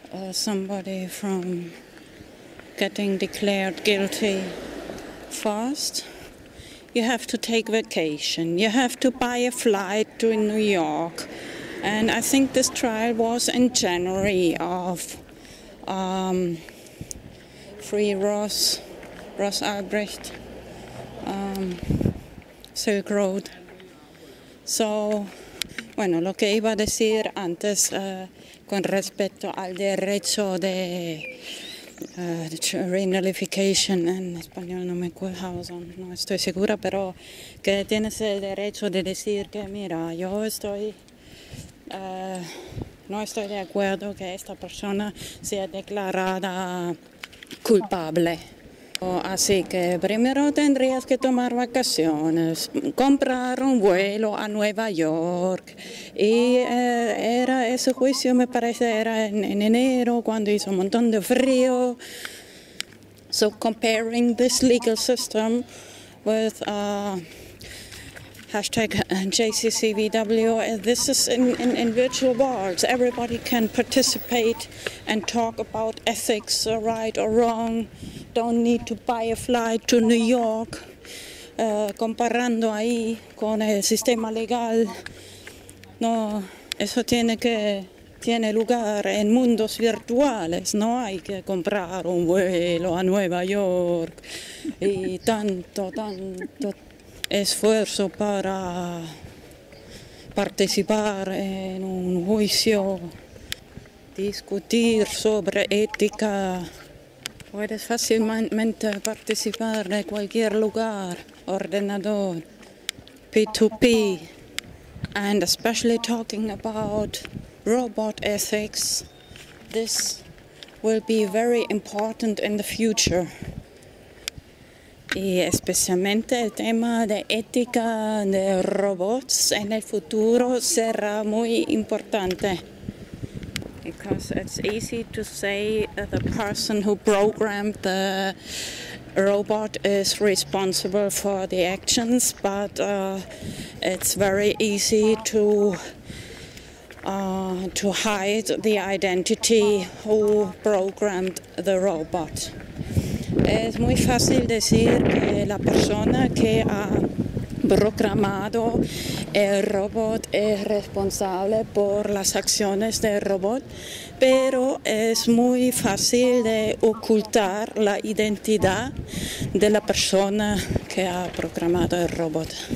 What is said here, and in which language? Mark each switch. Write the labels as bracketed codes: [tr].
[en] somebody from getting declared guilty fast, you have to take vacation, you have to buy a flight to New York, and I think this trial was in January of Free Ross Albrecht, Silk Road. [es] So, bueno, lo que iba a decir antes con respecto al derecho de jury nullification, en español no me acuerdo, no estoy segura, pero que tienes el derecho de decir que mira, yo estoy, no estoy de acuerdo que esta persona sea declarada culpable. Así que primero tendrías que tomar vacaciones, comprar un vuelo a Nueva York. Y era ese juicio, me parece, era en enero, cuando hizo un montón de frío. [en] So comparing this legal system with hashtag JCCVW, this is in virtual worlds. Everybody can participate and talk about ethics, right or wrong. Don't need to buy a flight to New York. [es] Comparando ahí con el sistema legal, no, eso tiene lugar en mundos virtuales. No hay que comprar un vuelo a Nueva York y tanto esfuerzo para participar en un juicio, discutir sobre ética. Puedes fácilmente participar de cualquier lugar, ordenador, P2P, [en] and especially talking about robot ethics, this will be very important in the future. [es] Y especialmente el tema de ética de robots en el futuro será muy importante. [en] Because it's easy to say that the person who programmed the robot is responsible for the actions, but it's very easy to hide the identity who programmed the robot. [es] Es muy fácil decir que la persona que ha programado el robot es responsable por las acciones del robot, pero es muy fácil de ocultar la identidad de la persona que ha programado el robot.